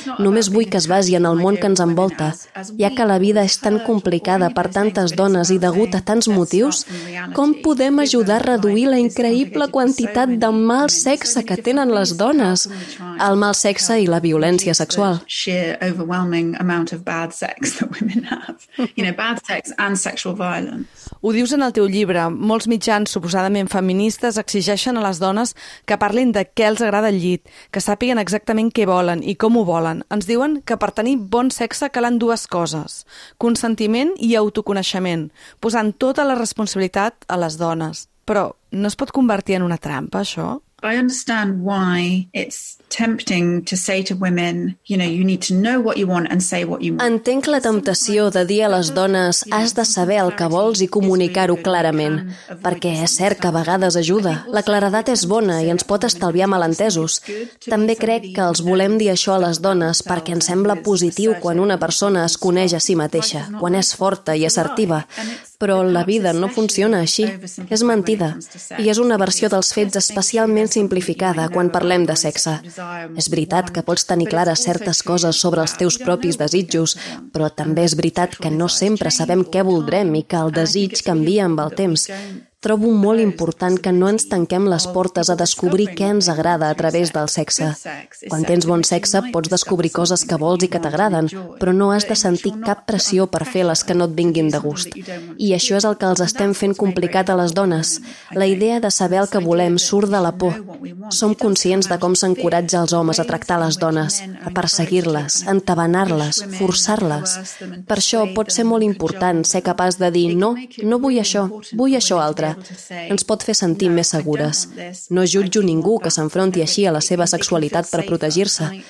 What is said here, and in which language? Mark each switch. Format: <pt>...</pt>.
<ca>Només vull que es basi en el món que ens envolta, ja que la vida és tan complicada per tantes dones i degut a tants motius, com podem ajudar a reduir la increïble quantitat de mal sexe que tenen les dones? El mal sexe i la violència sexual.</ca> <en>Sheer overwhelming amount of bad sex that women have. You know, bad sex and sexual violence.</en> <ca>Ho dius en el teu llibre. Molts mitjans, suposadament feministes, exigeixen a les dones que parlin de què els agrada el llit, que sàpiguen exactament què volen i com ho volen. Ens diuen que per tenir bon sexe calen dues coses, consentiment i autoconeixement, posant tota la responsabilitat a les dones. Però no es pot convertir en una trampa, això?</ca> <en>I understand why it's tempting to say to women, you know, you need to know what you want and say what you want.</en> <ca>Entenc la temptació de dir a les dones has de saber el que vols i comunicar-ho clarament, perquè és cert que a vegades ajuda. La claredat és bona i ens pot estalviar malentesos. També crec que els volem dir això a les dones perquè ens sembla positiu quan una persona es coneix a si mateixa, quan és forta i assertiva. Però la vida no funciona així. És mentida. I és una versió dels fets especialment simplificada quan parlem de sexe. És veritat que pots tenir clares certes coses sobre els teus propis desitjos, però també és veritat que no sempre sabem què voldrem i que el desig canvia amb el temps. Trobo molt important que no ens tanquem les portes a descobrir què ens agrada a través del sexe. Quan tens bon sexe, pots descobrir coses que vols i que t'agraden, però no has de sentir cap pressió per fer les que no et vinguin de gust. I això és el que els estem fent complicat a les dones. La idea de saber el que volem surt de la por. Som conscients de com s'encoratja els homes a tractar les dones, a perseguir-les, entabanar-les, forçar-les. Per això pot ser molt important ser capaç de dir no, no vull això, vull això altre. Ens pot fer sentir més segures. No jutjo ningú que s'enfronti així a la seva sexualitat per protegir-se.</ca>